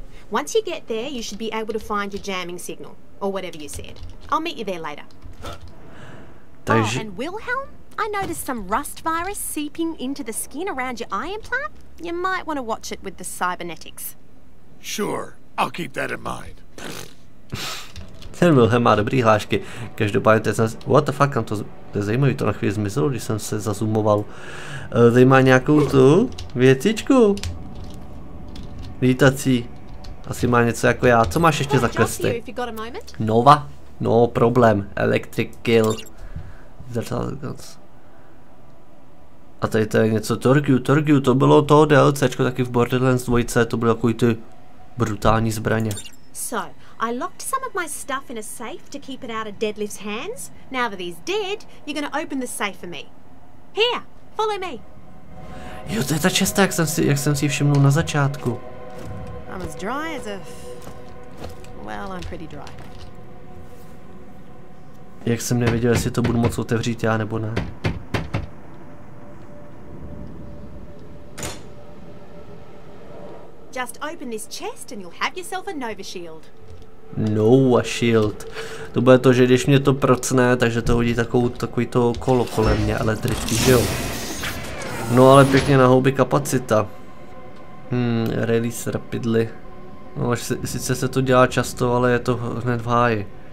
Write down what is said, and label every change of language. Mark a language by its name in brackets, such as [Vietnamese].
[English] Once you get there, you should be able to find your jamming signal, or whatever you said. I'll meet you there later. Takže... Oh, and Wilhelm, I noticed some rust virus seeping into the skin around your eye implant. You might want to watch it with the cybernetics. Sure, I'll keep that in mind. [Czech] Ten Wilhelm má dobrý hlášky. Každopádně to je [English] what the fuck, [Czech] to je zajímavý, to na chvíli zmizelo, když jsem se zazumoval. Zajímá nějakou tu věcičku. Lítací. Asi má něco jako já. Co máš ještě za questy? Nova? No, problém. [English] Electric kill. [Czech] A tady to je něco. Torgiu, to bylo toho DLCčko taky v Borderlands 2. To bylo takový ty brutální zbraně. [English] I locked some of my stuff in a safe to keep it out of Deadlift's hands. Now that he's dead, you're gonna open the safe for me. Here, follow me. [Czech] Jo, to je ta česta, jak jsem si všimnul na začátku. [English] I'm as dry as a... Well, I'm pretty dry. [Czech] Jak jsem nevěděl, jestli to budu moc otevřít já nebo ne. [English] Just open this chest and you'll have yourself a Nova Shield. Nova Shield. [Czech] To bude to, že když mě to procne, takže to hodí takový to kolo kolem mě, elektrický, že jo. No ale pěkně na houby kapacita. [English] Release rapidly. [Czech] No až se, sice se to dělá často, ale je to hned v háji.